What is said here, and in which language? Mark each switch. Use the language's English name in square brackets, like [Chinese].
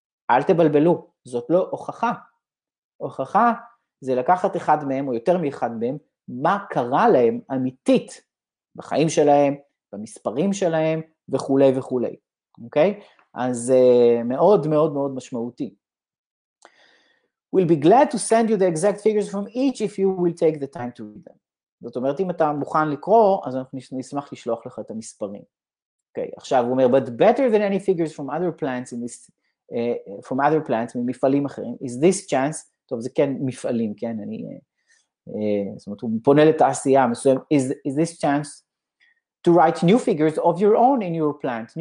[Hebrew] אל תבלבלו, זאת לא הוכחה. הוכחה זה לקחת אחד מהם או יותר מאחד מהם, מה קרה להם אמיתית בחיים שלהם, במספרים שלהם וכולי וכולי. אוקיי? אז מאוד מאוד מאוד משמעותי. [English] We'll be glad to send you the exact figures from each if you will take the time to read them. [Hebrew] זאת אומרת, אם אתה מוכן לקרוא, אז אנחנו נשמח לשלוח לך את המספרים. אוקיי, עכשיו הוא אומר, [English] but better than any figures from other plants in this, from other plants, [Hebrew] ממפעלים אחרים, [English] is this chance, [Hebrew] טוב, זה כן מפעלים, כן, אני, זאת אומרת, הוא פונה לתעשייה מסוים, [English] is this chance to write new figures of your own in your plant.